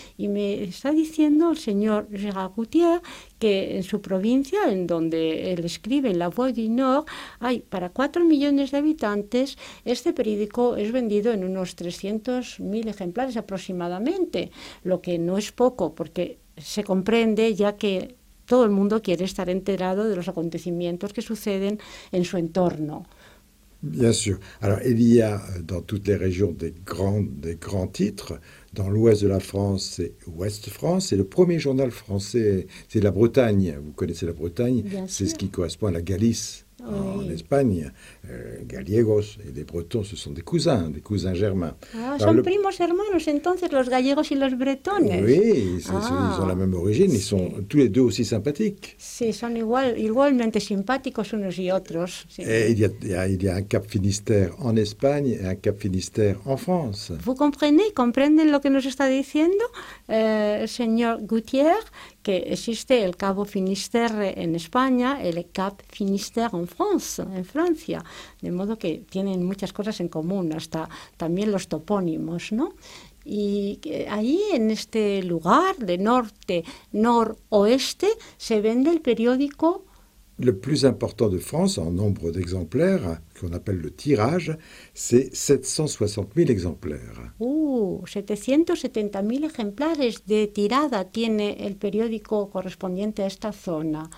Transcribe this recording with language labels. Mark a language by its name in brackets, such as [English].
[Spanish] Y me está diciendo el señor Gérard Gautier que en su provincia, en donde él escribe, en La Voix du Nord, hay para 4 millones de habitantes este periódico. Es vendido en unos 300.000 ejemplares aproximadamente, lo que no es poco, porque se comprende ya que todo el mundo quiere estar enterado de los acontecimientos que suceden en su entorno. [French] Bien sûr. Alors, il y a dans toutes les régions des grands titres. Dans l'ouest de la France, c'est Ouest France. C'est le premier journal français. C'est la Bretagne. Vous connaissez la Bretagne. C'est ce qui correspond à la Galice. En Espagne, gallegos et les bretons, ce sont des cousins germains. [Spanish] Ah, [French] alors, [Spanish] primos hermanos, entonces, los gallegos y los bretones. [French] Oui, ils ont la même origine, ils sont tous les deux aussi sympathiques. [Spanish] Sí, son igualmente simpáticos unos y otros. Sí. [French] Et il y a un Cap Finistère en Espagne et un Cap Finistère en France. Vous comprenez [Spanish] lo que nos está diciendo, señor Gautier? Que existe el Cabo Finisterre en España, el Cap Finisterre en Francia, de modo que tienen muchas cosas en común, hasta también los topónimos, ¿no? Y ahí, en este lugar de norte, noroeste, se vende el periódico. [French] Le plus important de France, en nombre d'exemplaires, qu'on appelle le tirage, c'est 760 000 exemplaires. [Spanish] 770 000 ejemplares de tirada tiene el periódico correspondiente a esta zona.